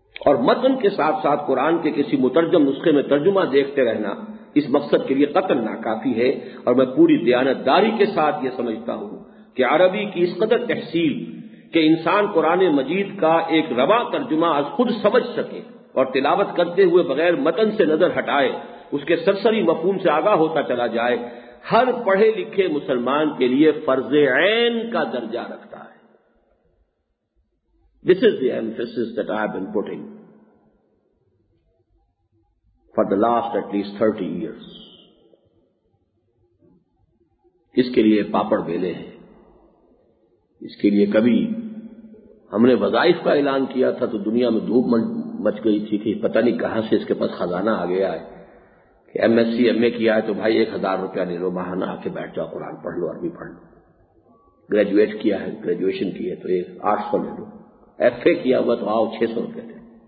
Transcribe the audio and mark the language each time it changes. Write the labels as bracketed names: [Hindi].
[Urdu] اور متن کے ساتھ ساتھ قرآن کے کسی مترجم نسخے میں ترجمہ دیکھتے رہنا اس مقصد کے لیے قطر ناکافی ہے، اور میں پوری دیانتداری کے ساتھ یہ سمجھتا ہوں کہ عربی کی اس قدر تحصیل کہ انسان قرآن مجید کا ایک روا ترجمہ از خود سمجھ سکے اور تلاوت کرتے ہوئے بغیر متن سے نظر ہٹائے اس کے سرسری مفہوم سے آگاہ ہوتا چلا جائے، ہر پڑھے لکھے مسلمان کے لیے فرض عین کا درجہ رکھتا ہے. [English] This is the emphasis that I have been putting for the last at least 30 years. [Urdu] اس کے لیے پاپڑ بیلے ہیں، اس کے لیے کبھی ہم نے وظائف کا اعلان کیا تھا تو دنیا میں دھوپ مچ گئی تھی کہ پتہ نہیں کہاں سے اس کے پاس خزانہ آ گیا ہے کہ ایم ایس سی ایم اے کیا ہے تو بھائی 1000 روپیہ لے لو ماہانہ، آ کے بیٹھ جاؤ قرآن پڑھ لو عربی پڑھ لو، گریجویٹ کیا ہے گریجویشن کی ہے تو 800 لے لو، ایف اے کیا ہوا تو آؤ 600 روپیہ لے لو.